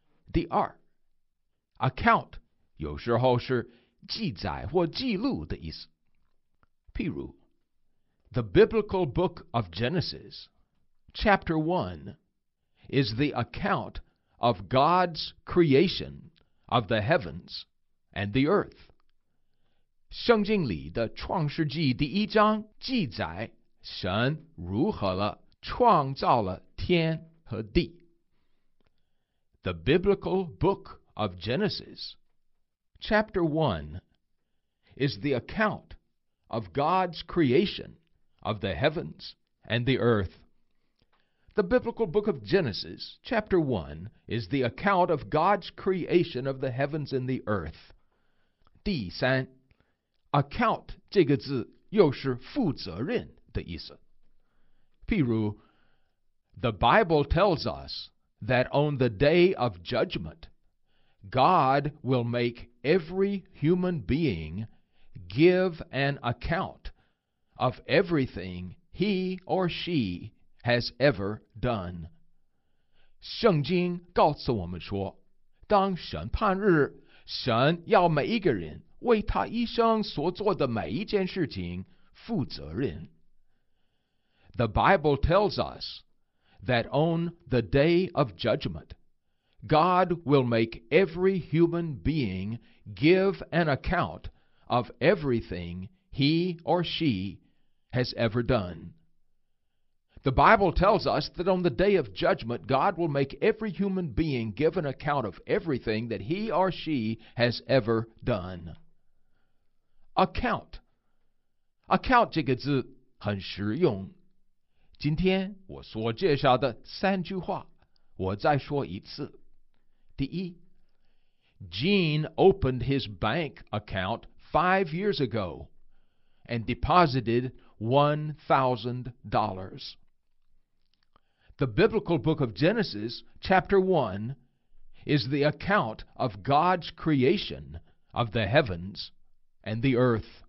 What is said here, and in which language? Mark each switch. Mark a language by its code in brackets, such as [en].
[zh] 第二， account 有时候是记载或记录的意思。譬如， [en] The biblical book of Genesis, chapter 1, is the account of God's creation of the heavens and the earth. [zh] 圣经里的创世纪第一章记载神如何了创造了天和地。 [en] The biblical book of Genesis, chapter 1, is the account of God's creation of the heavens and the earth. The biblical book of Genesis, chapter 1, is the account of God's creation of the heavens and the earth. [zh] 第三，Account 这个字又是负责任的意思。譬如， [en] The Bible tells us that on the day of judgment, God will make every human being give an account of everything he or she has ever done. [zh] 圣经告诉我们说，当审判日，神要每一个人为他一生所做的每一件事情负责任。 [en] The Bible tells us that on the day of judgment, God will make every human being give an account of everything he or she has ever done. The Bible tells us that on the day of judgment, God will make every human being give an account of everything that he or she has ever done. [zh] Account. Account 这个字很实用。今天我所介绍的三句话，我再说一次。第一， [en] Gene opened his bank account 5 years ago and deposited $1,000. The biblical book of Genesis, chapter 1, is the account of God's creation of the heavens and the earth.